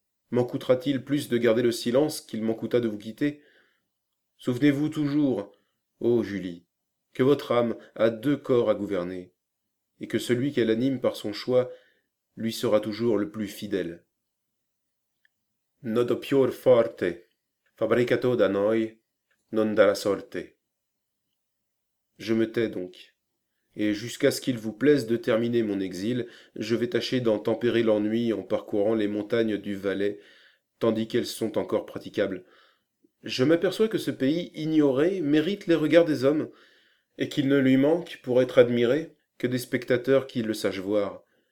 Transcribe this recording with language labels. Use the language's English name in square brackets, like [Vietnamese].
[French] M'en coûtera-t-il plus de garder le silence qu'il m'en coûta de vous quitter? Souvenez-vous toujours, ô Julie, que votre âme a deux corps à gouverner, et que celui qu'elle anime par son choix lui sera toujours le plus fidèle. [Italian] Nodo pior forte, fabricato da noi, non dalla sorte. [French] Je me tais donc. Et jusqu'à ce qu'il vous plaise de terminer mon exil, je vais tâcher d'en tempérer l'ennui en parcourant les montagnes du Valais, tandis qu'elles sont encore praticables. Je m'aperçois que ce pays ignoré mérite les regards des hommes, et qu'il ne lui manque, pour être admiré, que des spectateurs qui le sachent voir.